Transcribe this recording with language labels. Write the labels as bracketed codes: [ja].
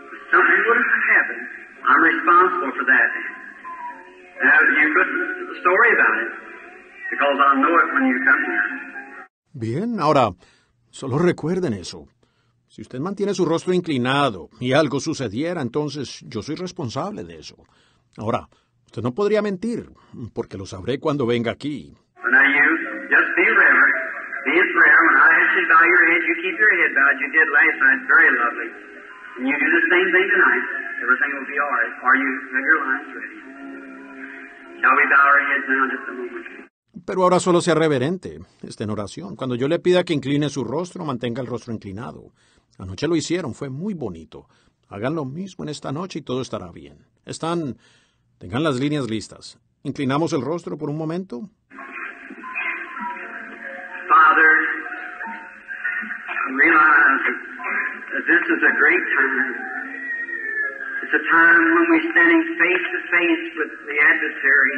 [en] Something would have happened. I'm responsible for that. Now, you couldn't story about it, because I'll know it when you come here. [es] Bien, ahora, solo recuerden eso. Si usted mantiene su rostro inclinado y algo sucediera, entonces yo soy responsable de eso. Ahora, usted no podría mentir, porque lo sabré cuando venga aquí. [en] But now you, just be reverent. Be in prayer. When I actually bow your head, you keep your head bowed. You did last night. Very lovely. And you do the same thing tonight. Everything will be all right. Are you, have your lines ready? Shall we bow our heads now just a moment? [es] Pero ahora solo sea reverente, esté en oración. Cuando yo le pida que incline su rostro, mantenga el rostro inclinado. Anoche lo hicieron, fue muy bonito. Hagan lo mismo en esta noche y todo estará bien. Están, tengan las líneas listas. Inclinamos el rostro por un momento. [en] Father, realize that this is a great time. It's a time when we're standing face to face with the adversary.